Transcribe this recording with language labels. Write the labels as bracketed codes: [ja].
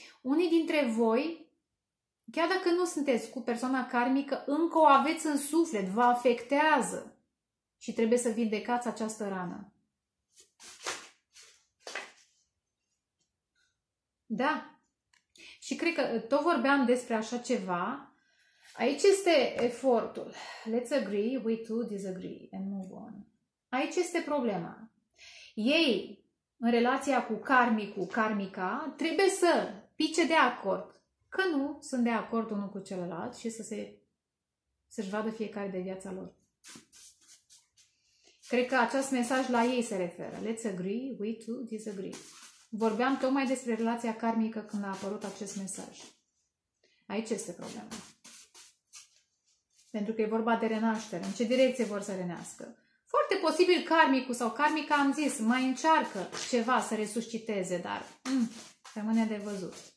[ro] Unii dintre voi, chiar dacă nu sunteți cu persoana karmică, încă o aveți în suflet, vă afectează. Și trebuie să vindecați această rană. Da. Și cred că tot vorbeam despre așa ceva. Aici este efortul. [en] Let's agree, we too disagree and move on. [ro] Aici este problema. Ei, în relația cu karmicul, karmica, trebuie să pice de acord. Că nu sunt de acord unul cu celălalt și să-și vadă fiecare de viața lor. Cred că acest mesaj la ei se referă. [en] Let's agree, we too disagree. [ro] Vorbeam tocmai despre relația karmică când a apărut acest mesaj. Aici este problema. Pentru că e vorba de renaștere. În ce direcție vor să renească? Foarte posibil karmicul sau karmica, am zis, mai încearcă ceva să resusciteze, dar rămâne de văzut.